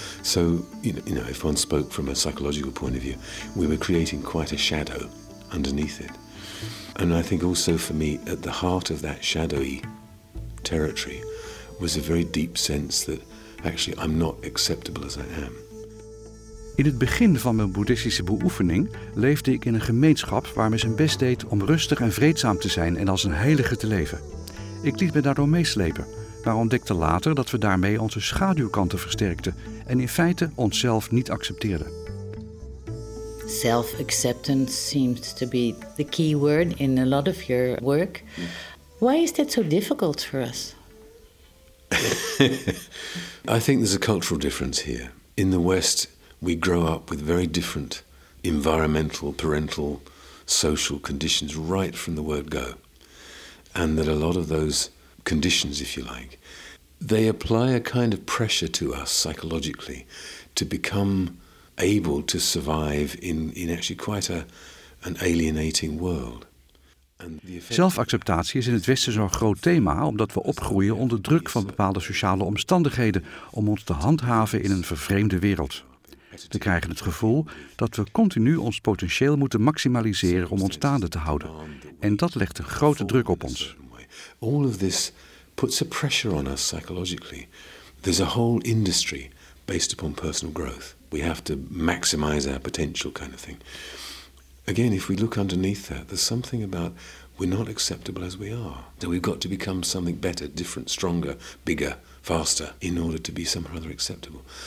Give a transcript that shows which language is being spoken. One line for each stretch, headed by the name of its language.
English: So, you know, if one spoke from a psychological point of view, we were creating quite a shadow underneath it. And I think also for me, at the heart of that shadowy territory was a very deep sense that actually I'm not acceptable as I am.
Dutch: In het begin van mijn boeddhistische beoefening leefde ik in een gemeenschap waar me zijn best deed om rustig en vreedzaam te zijn en als een heilige te leven. Ik liet me daardoor meeslepen, maar ontdekte later dat we daarmee onze schaduwkanten versterkten en in feite onszelf niet accepteerden.
English: Self-acceptance seems to be the key word in a lot of your work. Why is that so difficult for us? I think there's a cultural difference here. In the West, we grow up with very different environmental, parental, social conditions right from the word go. And that a lot of those conditions, if you like, they apply a kind of pressure to us psychologically to become able to survive in actually quite an alienating world.
Dutch: Zelfacceptatie is in het Westen zo'n groot thema omdat we opgroeien onder druk van bepaalde sociale omstandigheden om ons te handhaven in een vervreemde wereld. We krijgen het gevoel dat we continu ons potentieel moeten maximaliseren om ons staande te houden. En dat legt een grote druk op ons.
English: All of this puts a pressure on us psychologically. There's a whole industry based upon personal growth. We have to maximize our potential kind of thing. Again, if we look underneath that, there's something about we're not acceptable as we are. So we've got to become something better, different, stronger, bigger, faster, in order to be somehow or other acceptable.